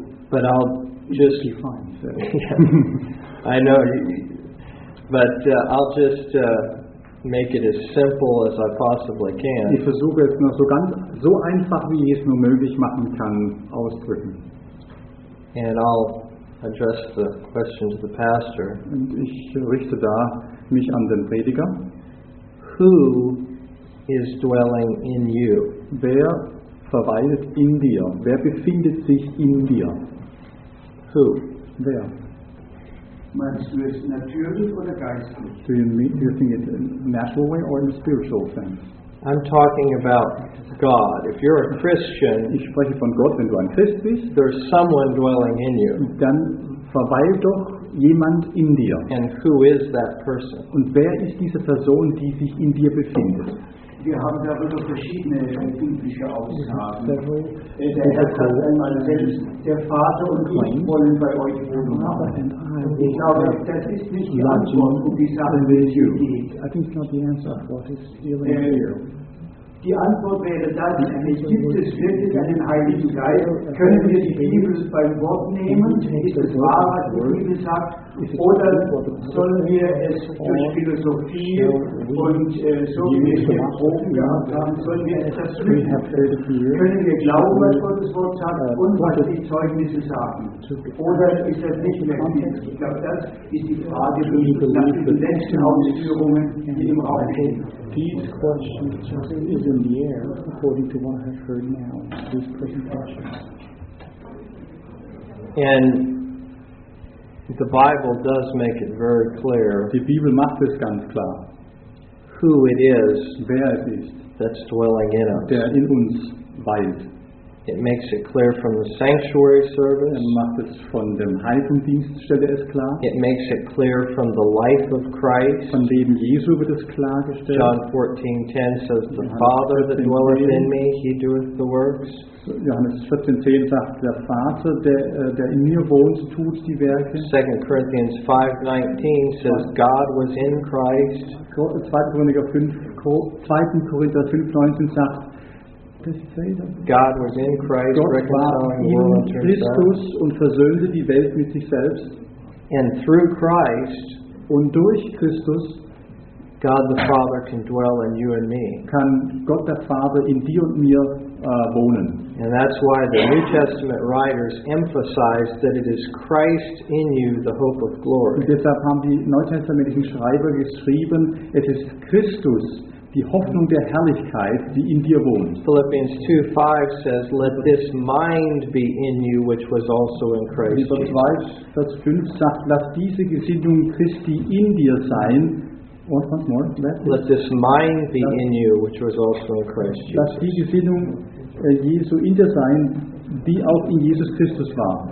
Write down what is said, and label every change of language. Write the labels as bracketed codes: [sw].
[en] But I'll just be fine. So. I know. But I'll just make it as simple as I possibly can. [de] Ich versuche es nur so einfach wie ich es nur möglich machen kann auszudrücken. [en] And I'll address the question to the pastor. [de] Und ich richte da mich an den Prediger. [en] Who is dwelling in you. [de] Wer verweilt in dir? Wer befindet sich in dir? [en] Who? [de] Wer? Meinst du es natürlich oder geistlich? [en] Do you think it in a natural way or in a spiritual sense? I'm talking about God. If you're a Christian, [de] ich spreche von Gott, wenn du ein Christ bist, [en] there's someone dwelling in you. [de] Dann verweilt doch jemand in dir. [en] And who is that person? [de] Und wer ist diese Person, die sich in dir befindet? Wir haben darüber verschiedene biblische Aussagen. Der Vater und ich wollen bei euch wohnen. Ich glaube, das ist nicht die Antwort, um die Sache mit dir geht. [en] I think it's not the answer. What is [de] die Antwort wäre dann, gibt es wirklich einen Heiligen Geist? Können wir die Bibel beim Wort nehmen? Ist es wahr, was die Bibel sagt? Oder sollen wir es durch Philosophie und so wie wir hier Proben gehabt haben, sollen wir es erfüllen? Können wir glauben, was Gottes Wort sagt und was die Zeugnisse sagen? Oder ist das nicht mehr wichtig? Ich glaube, das ist die Frage, die nach den letzten Ausführungen in dem Raum steht. [en] These questions is in the air, according to what I have heard now, this presentation. And the Bible does make it very clear. [de] Die Bibel macht es ganz klar. [en] Who it is, [de] wer es ist, [en] that's dwelling in us. [de] Der in uns weilt. [en] It makes it clear from the sanctuary service. [de] Und macht es von dem Heiligendienststelle es klar. [en] It makes it clear from the life of Christ. [de] Von Leben Jesu wird es klargestellt. [en] John 14:10 says, "The Father that dwelleth in me, he doeth the works." [de] Johannes 14:10 sagt, der Vater, der in mir wohnt, tut die Werke. [en] 2 Corinthians 5:19 says, "God was in Christ." [de] 2 Korinther 5:19 sagt, [en] God was in Christ, [de] Gott [en] reconciling [de] war in Christus und versöhnte die Welt mit sich selbst. [en] And through Christ, [de] und durch Christus, [en] God the Father can dwell in you and me. [de] Kann Gott der Vater in dir und mir wohnen. [en] And that's why the New Testament writers emphasize that it is Christ in you, the hope of glory. [de] Und deshalb haben die neutestamentlichen Schreiber geschrieben, es ist Christus, die Hoffnung der Herrlichkeit, die in dir wohnt. [en] Philippians 2:5 says, "Let this mind be in you, which was also in Christ." [de] Vers 5 sagt, lass diese Gesinnung Christi in dir sein. [en] Once more, let this mind be in you, which was also in Christ. [de] Lass die Gesinnung Jesu in dir sein, die auch in Jesus Christus war.